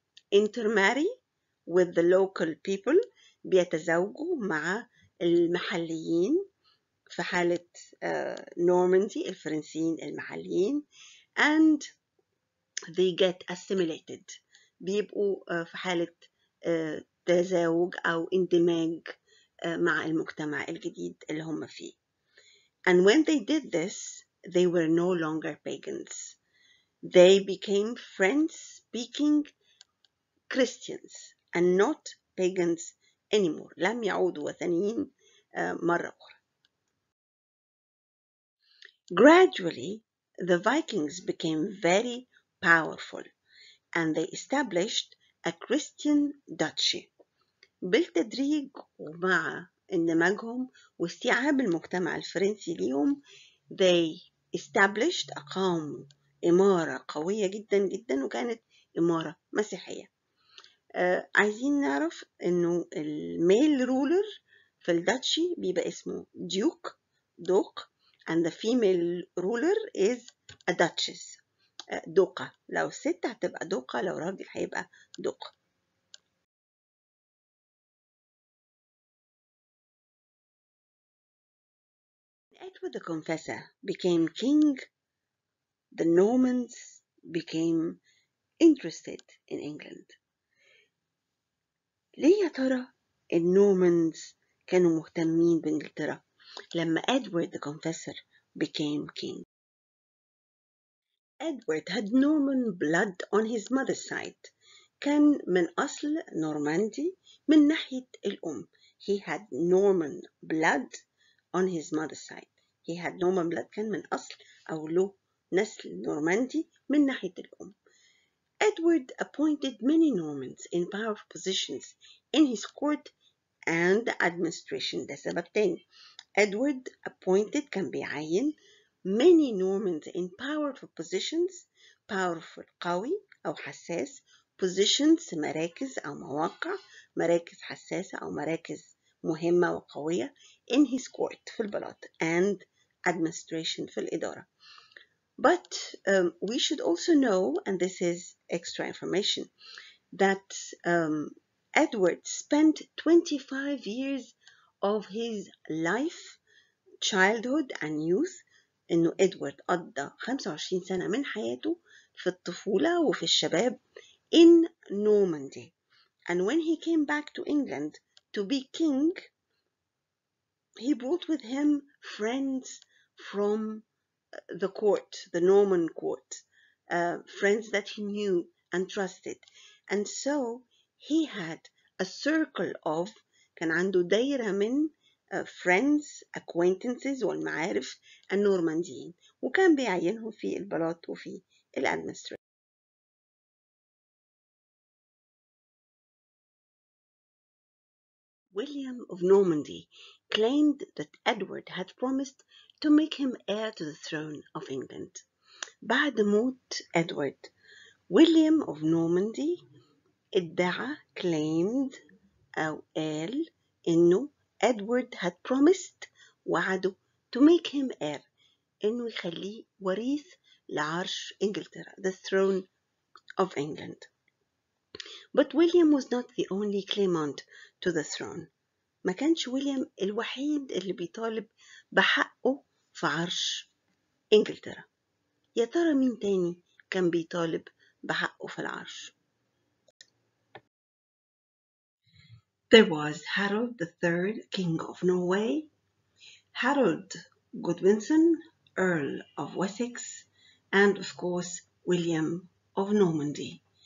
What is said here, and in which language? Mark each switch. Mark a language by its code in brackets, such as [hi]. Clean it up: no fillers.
[en] intermarry with the local people, [ar] بيتزوجوا مع المحليين في حالة Normandy, الفرنسيين المحليين, [en] and they get assimilated, [ar] بيبقوا في حالة تزاوج أو اندماج مع المجتمع الجديد اللي هم فيه. [en] And when they did this, they were no longer pagans. They became French-speaking Christians and not pagans anymore. [ar] لم يعودوا وثنيين مرة أخرى. [en] Gradually, the Vikings became very powerful and they established a Christian duchy. [ar] بالتدريج ومع اندماجهم واستيعاب المجتمع الفرنسي ليهم, [en] they established, [ar] أقاموا إمارة قوية جدا جدا, وكانت إمارة مسيحية. عايزين نعرف إنه الميل رولر في الداتشي بيبقى اسمه ديوك, دوق, [en] and the female ruler is a duchess, [ar] دوقة. لو ست هتبقى دوقة, لو راجل هيبقى دوق. [en] Edward the Confessor became king. The Normans became interested in England. [ar] ليه يا ترى النورمانز كانوا مهتمين بإنجلترا لما [en] Edward the Confessor became king? Edward had Norman blood on his mother's side. [ar] كان من أصل نورماندي من ناحية الأم. [en] He had Norman blood on his mother's side. He had Norman blood, [ar] كان من أصل أو له نسل نورماندي من ناحية الأم. [en] Edward appointed many Normans in powerful positions in his court and administration. [ar] ده سبب تاني. [en] Edward appointed, [ar] كان بيعين, [en] many Normans in powerful positions, [ar] powerful, قوي أو حساس, positions, مراكز أو مواقع, مراكز حساسة أو مراكز مهمة وقوية, [en] in his court, [ar] في البلاط, [en] and administration, [ar] في الإدارة. [en] But we should also know, and this is extra information, that Edward spent 25 years of his life, childhood and youth, [ar] إنه Edward قضى 25 سنة من حياته في الطفولة وفي الشباب [en] in Normandy. And when he came back to England to be king, he brought with him friends from the court, the Norman court, friends that he knew and trusted. And so he had a circle of, [ar] كان عنده دايرة من [en] friends, acquaintances [ar] والمعارف النورمانديين, وكان بيعينهم في البلاط وفي الادمنستريشن. [en] William of Normandy claimed that Edward had promised to make him heir to the throne of England. [ar] بعد موت Edward, William of Normandy ادعى claimed أو قال إنه Edward [en] had promised [ar] وعده [en] to make him heir [ar] إنه يخليه وريث لعرش إنجلترا [en] the throne of England. But William was not the only claimant to the throne. [ar] ما كانش ويليام الوحيد اللي بيطالب بحقه في عرش إنجلترا. يا ترى مين تاني كان بيطالب بحقه في العرش؟ [en] There was Harold III, King of Norway, Harold Godwinson, Earl of Wessex, and of course William of Normandy.